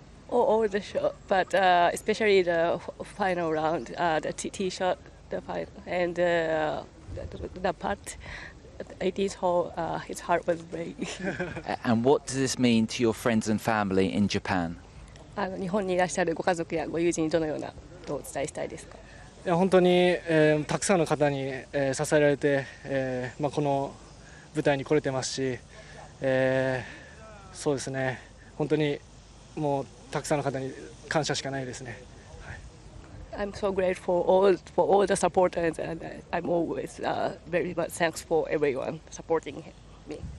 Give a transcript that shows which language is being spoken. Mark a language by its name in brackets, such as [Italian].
[English] All the shot, but especially the final round, the tee shot, the final, and the putt. 18th hole, his heart was breaking. And what does this mean to your friends and family in Japan? [Japanese] 日本にいらっしゃるご家族やご友人にどのようなことをお伝えしたいですか？いや本当に、たくさんの方に、支えられて、まあ、この舞台に来れてますし、そうですね、本当にもうたくさんの方に感謝しかないですね。 [English] I'm so grateful for all the supporters, and I'm always very much thanks for everyone supporting me.